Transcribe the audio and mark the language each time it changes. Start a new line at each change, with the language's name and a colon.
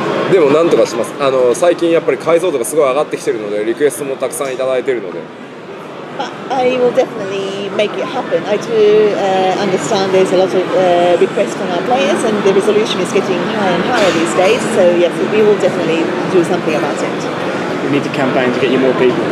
Japanese: でもなんとかします。あの最近やっぱり解像度がすごい上がってきてるので、リクエストもたくさんいただいてるので。
English: But I will definitely make it happen. I do understand there's a lot of requests from our players, and the resolution is getting higher and higher these days. So yes, we will definitely do something about it. We need a campaign to get you more people.